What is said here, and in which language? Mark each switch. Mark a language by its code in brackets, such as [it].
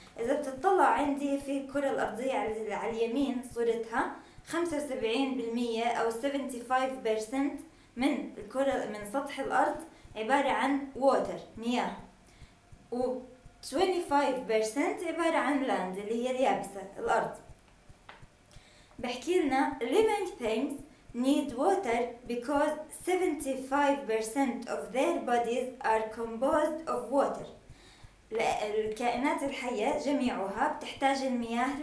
[ar] إذا بتطلع عندي في الكرة الأرضية على اليمين صورتها، 75% أو 75% من الكرة من سطح الأرض عبارة عن water مياه، و 25% عبارة عن land اللي هي اليابسة الأرض. بحكي لنا [en] living things need water because 75% of their bodies are composed of water. [ar] الكائنات الحية جميعها بتحتاج المياه.